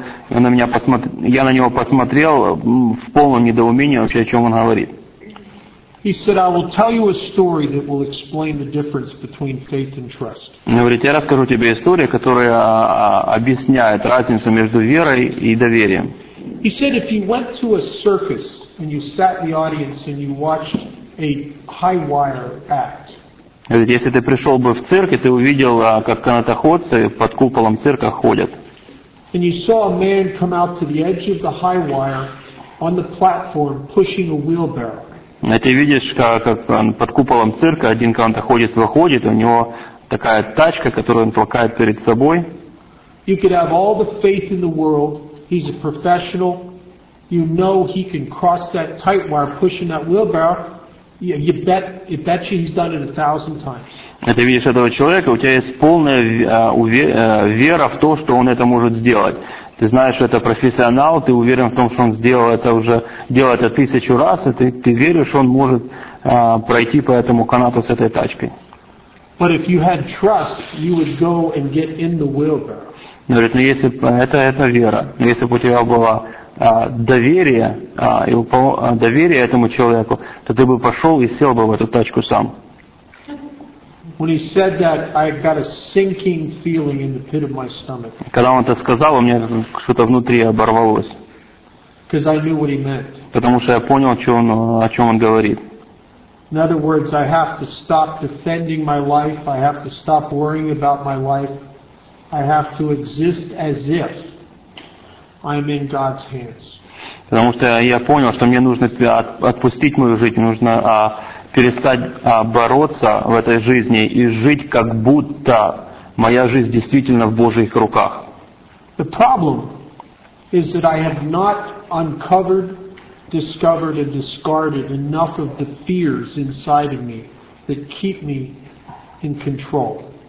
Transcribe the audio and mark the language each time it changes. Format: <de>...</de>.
<ru>Я на него посмотрел в полном недоумении вообще, о чем он говорит.</ru> <en>He said, I will tell you a story that will explain the difference between faith and trust.</en> <ru>Он говорит, я расскажу тебе историю, которая объясняет разницу между верой и доверием.</ru> <en>He said, if you went to a circus and you sat in the audience and you watched a high wire act.</en> <ru>Говорит, если ты пришел бы в цирк, и ты увидел, как канатоходцы под куполом цирка ходят.</ru> <en>And you saw a man come out to the edge of the high wire on the platform pushing a wheelbarrow.</en> <ru>А ты видишь, как под куполом цирка один канатоходец выходит, у него такая тачка, которую он толкает перед собой.</ru> <en>You could have all the faith in the world. He's a professional. You know he can cross that tight wire pushing that wheelbarrow. Yeah, you bet you he's done it 1,000 times.</en> <ru>Ты видишь этого человека, у тебя есть полная вера в то, что он это может сделать. Ты знаешь, что это профессионал, ты уверен в том, что он делает это 1000 раз, и ты веришь, что он может пройти по этому канату с этой тачкой.</ru> <en>But if you had trust, you would go and get in the wheelbarrow.</en> <ru>Говорит, ну если это вера, если бы у тебя была доверие этому человеку, то ты бы пошел и сел бы в эту тачку сам.</ru> <en>When he said that, I got a sinking feeling in the pit of my stomach.</en> <ru>Когда он это сказал, у меня что-то внутри оборвалось.</ru> <en>Because I knew what he meant.</en> <ru>Потому что я понял, о чем он говорит.</ru> <en>In other words, I have to stop defending my life. I have to stop worrying about my life. I have to exist as if I'm in God's hands.</en> <ru>Потому что я понял, что мне нужно отпустить мою жизнь, нужно перестать бороться в этой жизни и жить, как будто моя жизнь действительно в Божьих руках.</ru> <en>The problem is that I have not uncovered, discovered, and discarded enough of the fears inside of me that keep me in control.</en>